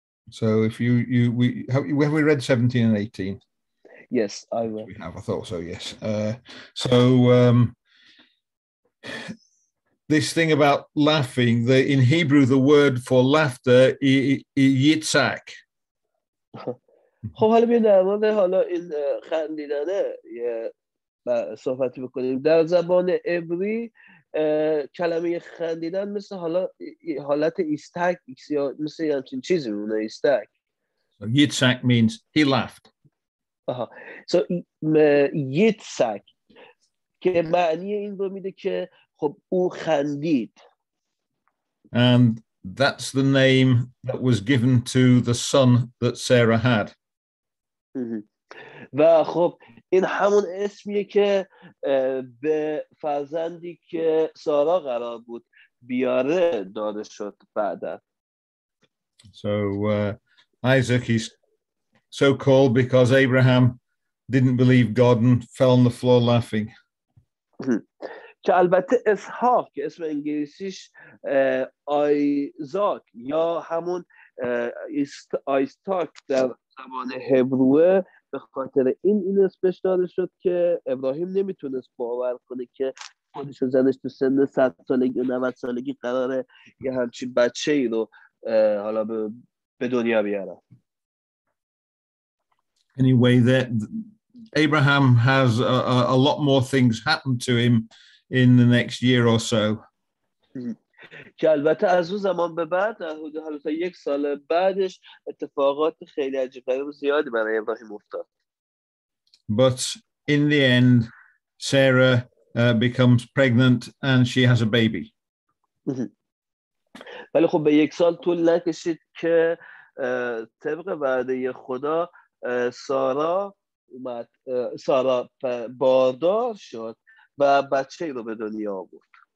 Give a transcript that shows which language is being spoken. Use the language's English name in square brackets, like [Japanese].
[English] So if have we read 17 and 18? Yes, I will. We have, I thought so, yes. So this thing about laughing, in Hebrew the word for laughter is yitzak. [Persian] خب حالا بیا در مورد حالا این خندیدنه صحبتی بکنیم. در زبان عبری کلمه خندیدن مثل حالا حالت ایستک یا مثل همچین چیزی بونه ایستک [English] یتسک means he laughed [Persian] so یتسک که معنی این رو میده که خب او خندید [English] and that's the name that was given to the son that Sarah had [Persian] و خب این همون اسمیه که به فرزندی که سارا قرار بود بیاره داده شد بعدا. [English] So Isaac is so called because Abraham didn't believe God and fell on the floor laughing. [Persian] که البته اسحاق که اسم انگلیسیش آیزاک یا همون آیستاک در زبان هبروه به خاطر این اسمش داده شد که ابراهیم نمیتونست باور کنه که خودش و زنش تو سن 100 سالگی و 90 سالگی قراره یه همچین بچه ای رو حالا به دنیا بیارم. [English] Anyway, that Abraham has a lot more things happen to him in the next year or so. [Persian] که البته از اون زمان به بعد حالا تا یک سال بعدش اتفاقات خیلی عجیب و زیادی برای ابراهیم افتاد. [English] But in the end, Sarah becomes pregnant and she has a baby. [Persian] ولی خب به یک سال طول نکشید که طبق وعده خدا سارا اومد، سارا باردار شد و بچه رو به دنیا آورد.